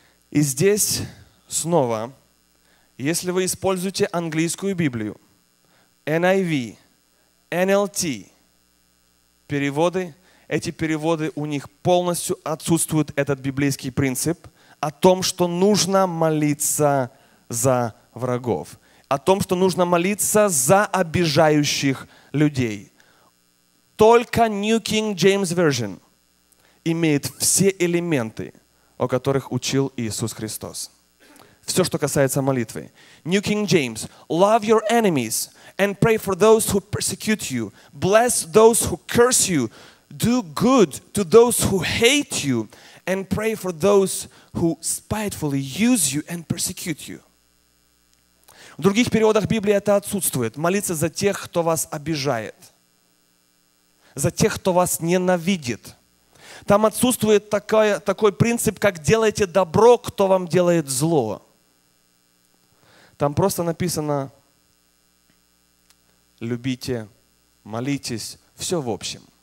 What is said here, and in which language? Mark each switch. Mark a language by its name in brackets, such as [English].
[Russian] И здесь снова, если вы используете английскую Библию, NIV, NLT, переводы, эти переводы у них полностью отсутствуют этот библейский принцип о том, что нужно молиться за врагов, о том, что нужно молиться за обижающих людей. Только New King James Version имеет все элементы, о которых учил Иисус Христос. Все, что касается молитвы. New King James. [English] Love your enemies and pray for those who persecute you. Bless those who curse you. Do good to those who hate you and pray for those who spitefully use you and persecute you. [Russian] В других переводах Библии это отсутствует. Молиться за тех, кто вас обижает. За тех, кто вас ненавидит. Там отсутствует такой принцип, как «делайте добро, кто вам делает зло». Там просто написано «любите, молитесь», все в общем.